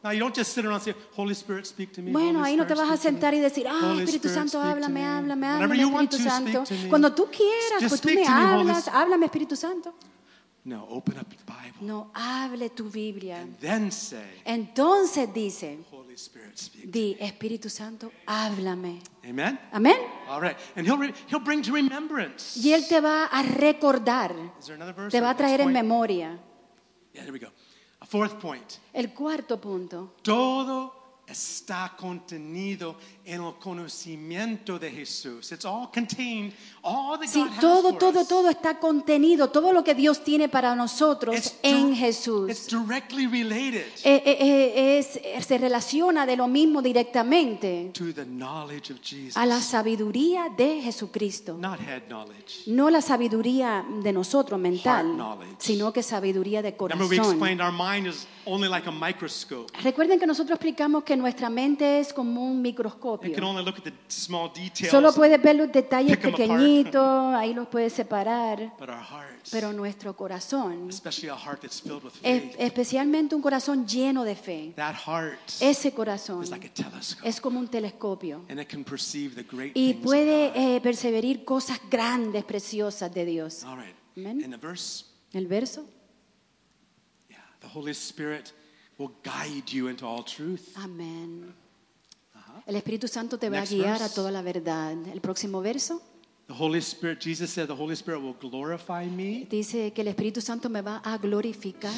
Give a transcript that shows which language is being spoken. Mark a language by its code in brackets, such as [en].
[en] Now you don't just sit around and say, Holy Spirit, speak to me. [es] Bueno, ahí no te vas a sentar y decir, ah, Espíritu Santo, háblame, háblame, háblame, Espíritu Santo. Cuando tú quieras, pues tú me hablas, háblame, Espíritu Santo. [en] No, open up the Bible. [es] No, hable tu Biblia. [en] And then say, [es] entonces dice, [en] Holy Spirit, speak [es] di, [en] to me. [es] Espíritu Santo, háblame. Amen. Amen. [en] All right. And he'll bring to remembrance. [es] Y Él te va a recordar. [en] Is there another verse? [es] Te va a traer en memoria. [en] Yeah, there we go. A fourth point. [es] El cuarto punto. Todo está contenido en el conocimiento de Jesús. [en] It's all contained. All that [es] sí, [en] God [es] todo, [en] has [es] todo, [en] for us. [es] Todo está contenido. Todo lo que Dios tiene para nosotros en Jesús. [en] It's directly related. [es] Se relaciona de lo mismo directamente. [en] To the knowledge of Jesus. [es] A la sabiduría de Jesucristo. [en] Not head knowledge. [es] No la sabiduría de nosotros mental. [en] Heart knowledge. [es] Sino que sabiduría de corazón. [en] Remember, we explained our mind is only like a microscope. [es] Recuerden que nosotros explicamos que nuestra mente es como un microscopio. [en] It can only look at the small details. [es] Solo puede ver los detalles pequeños. Ahí los puede separar, [en] hearts, [es] pero nuestro corazón, [en] faith, [es] especialmente un corazón lleno de fe, ese corazón [en] like [es] es como un telescopio [en] and it can perceive the great [es] y puede percibir cosas grandes, preciosas de Dios. [en] All right. Amen. In the verse, [es] el verso, [en] yeah, the Holy Spirit will guide you into all truth. [es] Amén. El Espíritu Santo te va a guiar a toda la verdad. El próximo verso. [en] The Holy Spirit, Jesus said, the Holy Spirit will glorify me. [es] Dice que el Espíritu Santo me va a glorificar.